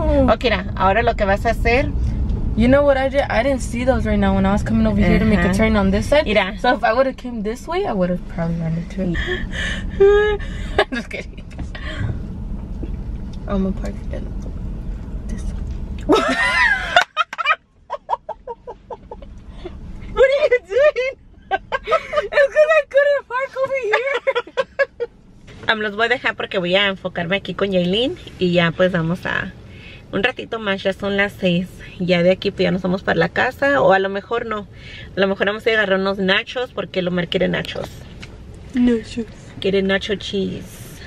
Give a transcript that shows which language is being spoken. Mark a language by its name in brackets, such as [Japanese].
[English] Okay, now, [Spanish] ahora lo que vas a hacer. [English] You know what I did? I didn't see those right now when I was coming over here to make a turn on this side. [Spanish] Mira. [English] So if I would have came this way, I would have probably run into it. I'm just kidding. I'm gonna park it in this way. What are you doing? It's because I couldn't park over here. [Spanish] Los voy a dejar porque voy a enfocarme aquí con Yailin y ya pues vamos a. Un ratito más, ya son las 6. Ya de aquí pues ya nos vamos para la casa. O a lo mejor no. A lo mejor vamos a agarrar unos nachos porque Lomar quiere nachos. Nachos. Quiere nacho cheese.